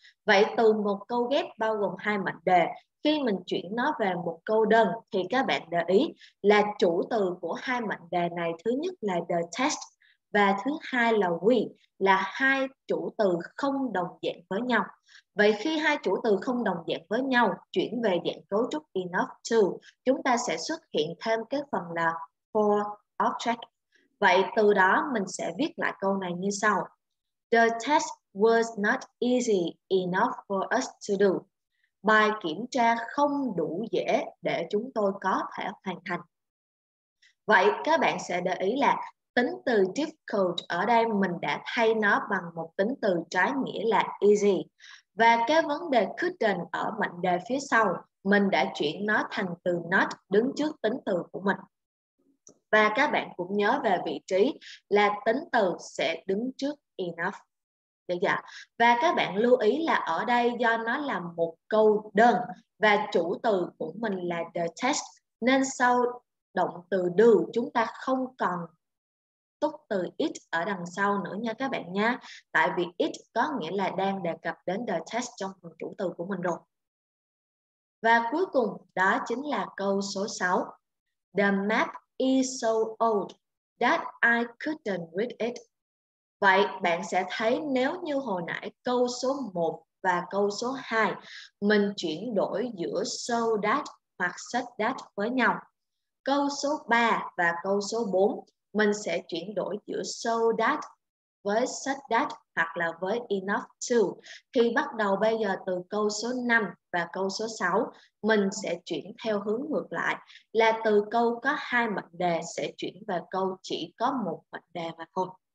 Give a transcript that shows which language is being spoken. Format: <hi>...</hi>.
<vi>Vậy từ một câu ghép bao gồm hai mệnh đề, khi mình chuyển nó về một câu đơn thì các bạn để ý là chủ từ của hai mệnh đề này, thứ nhất là the test và thứ hai là we, là hai chủ từ không đồng dạng với nhau. Vậy khi hai chủ từ không đồng dạng với nhau chuyển về dạng cấu trúc enough to, chúng ta sẽ xuất hiện thêm cái phần là for object. Vậy từ đó mình sẽ viết lại câu này như sau.</vi> <en>The test was not easy enough for us to do.</en> <vi>Bài kiểm tra không đủ dễ để chúng tôi có thể hoàn thành. Vậy các bạn sẽ để ý là tính từ difficult ở đây mình đã thay nó bằng một tính từ trái nghĩa là easy. Và cái vấn đề couldn't ở mệnh đề phía sau, mình đã chuyển nó thành từ not đứng trước tính từ của mình. Và các bạn cũng nhớ về vị trí là tính từ sẽ đứng trước enough. Được chưa? Và các bạn lưu ý là ở đây do nó là một câu đơn và chủ từ của mình là the test, nên sau động từ do chúng ta không còn túc từ it ở đằng sau nữa nha các bạn nha. Tại vì it có nghĩa là đang đề cập đến the test trong phần chủ từ của mình rồi. Và cuối cùng đó chính là câu số 6.</vi> <en>The map is so old that I couldn't read it.</en> <vi>Vậy bạn sẽ thấy nếu như hồi nãy câu số 1 và câu số 2 mình chuyển đổi giữa so that hoặc such that với nhau, câu số 3 và câu số 4 mình sẽ chuyển đổi giữa so that với such that hoặc là với enough to, thì bắt đầu bây giờ từ câu số 5 và câu số 6 mình sẽ chuyển theo hướng ngược lại, là từ câu có hai mệnh đề sẽ chuyển về câu chỉ có một mệnh đề mà thôi.</vi>